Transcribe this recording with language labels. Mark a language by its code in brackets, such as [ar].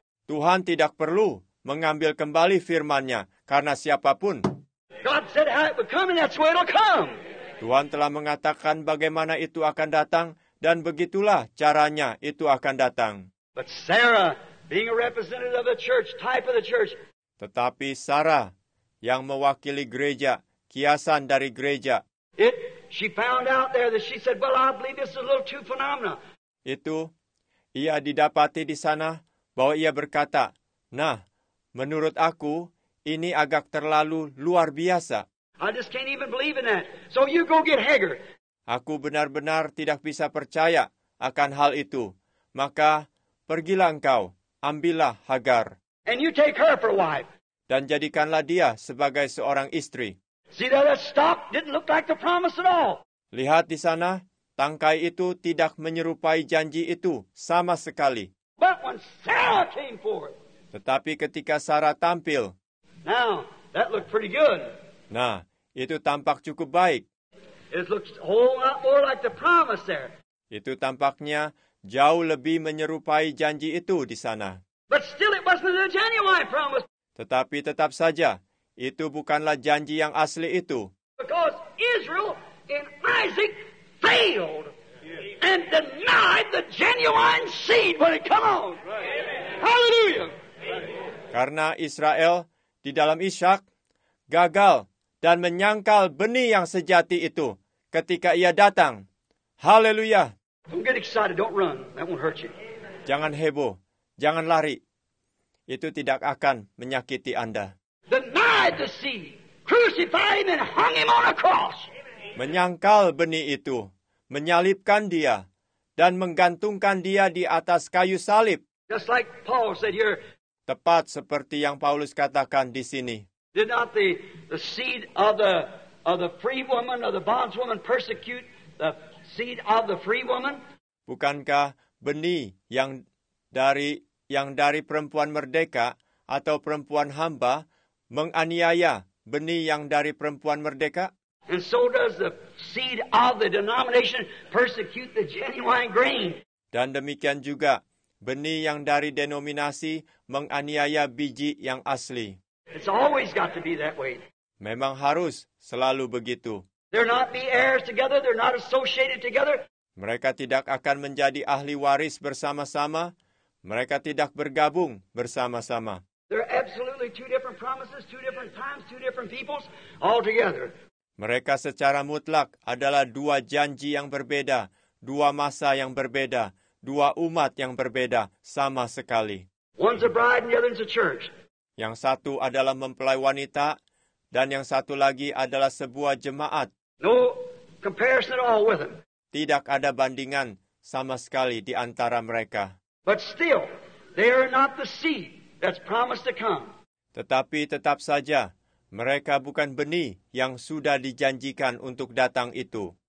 [id] Tuhan tidak perlu mengambil kembali firman-Nya karena siapapun. [en] God said how it would come and that's where it'll come. [id] Tuhan telah mengatakan bagaimana itu akan datang dan begitulah caranya itu akan datang. [en] But Sarah, being a representative of the church, type of the church. [id] Tetapi Sarah yang mewakili gereja, kiasan dari gereja. [en] It She found out there that she said, "Well, I believe this is a little too phenomenal." [id] Itu ia didapati di sana bahwa ia berkata, "Nah, menurut aku ini agak terlalu luar biasa." [en] I just can't even believe in that. So you go get Hagar. [id] Aku benar-benar tidak bisa percaya akan hal itu. Maka pergilah engkau, ambillah Hagar. [en] And you take her for a wife. [id] Dan jadikanlah dia sebagai seorang istri. [en] See that a stalk didn't look like the promise at all. [id] Lihat di sana, tangkai itu tidak menyerupai janji itu sama sekali. [en] But when Sarah came forth. [id] Tetapi ketika Sarah tampil. [en] Now, that looked pretty good. [id] Nah, itu tampak cukup baik. [en] It looks a whole lot more like the promise there. [id] Itu tampaknya jauh lebih menyerupai janji itu di sana. [en] But still it wasn't a genuine promise. [id] Tetapi tetap saja, itu bukanlah janji yang asli itu. [en] Because Israel and Isaac failed and denied the genuine seed when it came on. Hallelujah! [id] Karena Israel di dalam Ishak gagal dan menyangkal benih yang sejati itu ketika ia datang. Haleluya. [en] Don't get excited, don't run. That won't hurt you. [id] Jangan heboh, jangan lari. Itu tidak akan menyakiti Anda. [en] Denied the seed, crucified him and hung him on a cross. [id] Menyangkal benih itu, menyalibkan dia dan menggantungkan dia di atas kayu salib. [en] Just like Paul said here. [id] Tepat seperti yang Paulus katakan di sini. [en] Did not the seed of the free woman or the bonds woman persecute the seed of the free woman? [id] Bukankah benih yang dari perempuan merdeka atau perempuan hamba menganiaya benih yang dari perempuan merdeka? [en] And so does the seed of the denomination persecute the genuine grain? [id] Dan demikian juga benih yang dari denominasi menganiaya biji yang asli. [en] It's always got to be that way. [id] Memang harus selalu begitu. [en] They're not the heirs together, they're not associated together. [id] Mereka tidak akan menjadi ahli waris bersama-sama. Mereka tidak bergabung bersama-sama. [en] They're absolutely two different promises, two different times, two different peoples all together. [id] Mereka secara mutlak adalah dua janji yang berbeda, dua masa yang berbeda, dua umat yang berbeda sama sekali. [en] One's a bride and the other's a church. [id] Yang satu adalah mempelai wanita, dan yang satu lagi adalah sebuah jemaat. [en] No comparison at all with them. [id] Tidak ada bandingan sama sekali di antara mereka. [en] But still, they are not the seed that's promised to come. [id] Tetapi tetap saja, mereka bukan benih yang sudah dijanjikan untuk datang itu.